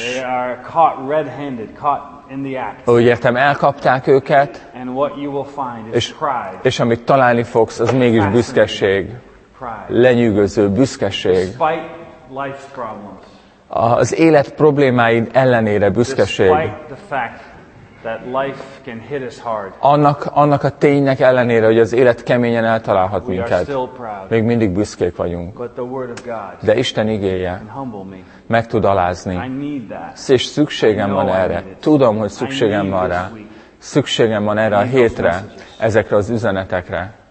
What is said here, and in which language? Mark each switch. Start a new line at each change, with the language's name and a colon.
English: They are caught red-handed, caught in the act.
Hungarian: Úgy értem, elkapták őket.
English: And what you will find is pride.
Hungarian: És amit találni fogsz, az mégis büszkeség. Lenyűgöző büszkeség.
English: Despite life's problems.
Hungarian: Az élet problémáid ellenére büszkeség.
English: Despite the fact that life can hit us hard.
Hungarian: Annak a ténynek ellenére, hogy az élet keményen eltalálhat minket.
English: We are still proud.
Hungarian: Még mindig büszkék vagyunk.
English: But the word of God.
Hungarian: De Isten igéje.
English: Can humble me.
Hungarian: Meg tud alázni.
English: I need that.
Hungarian: És szükségem van erre. Tudom, hogy szükségem van rá. Szükségem van erre a hétre, ezekre az üzenetekre.